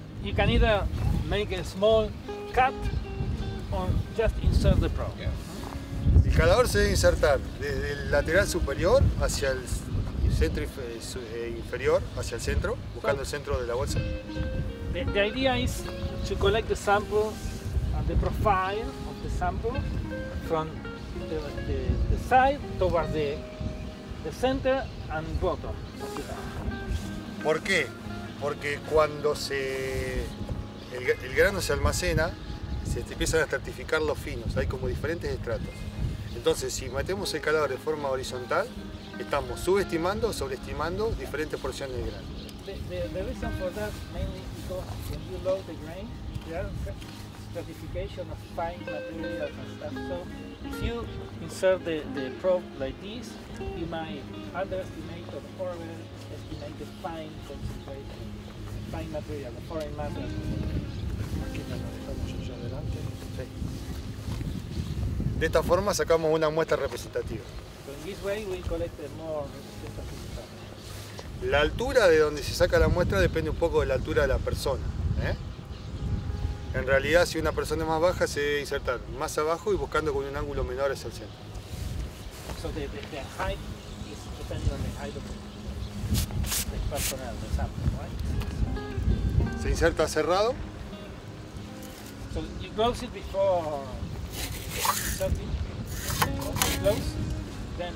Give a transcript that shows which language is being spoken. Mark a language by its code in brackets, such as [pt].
[en] You can either make a small cut or just insert the probe. Yeah. [es] El calador se debe insertar desde el lateral superior hacia el centro inferior, hacia el centro, buscando el centro de la bolsa. [en] The idea is to collect the sample and the profile of the sample from the side towards the center and bottom. [es] ¿Por qué? Porque cuando el grano se almacena, se empiezan a estratificar los finos, hay como diferentes estratos. Entonces, si metemos el calador de forma horizontal, estamos subestimando o sobreestimando diferentes porciones de grano. [en] The reason for that mainly because when you load the grain, stratification of fine materials and stuff. So if you insert the probe like this, you might underestimate or overestimate the fine concentration, fine material, the foreign matter. [es] De esta forma sacamos una muestra representativa. [en] So in this way we collect more representative samples. [es] La altura de donde se saca la muestra depende un poco de la altura de la persona. En realidad, si una persona es más baja, se debe insertar más abajo y buscando con un ángulo menor hacia el centro. [en] So the height is depending on the height of the person, the sample, right? [es] Se inserta cerrado. [en] So you close it before inserting. Once you close, then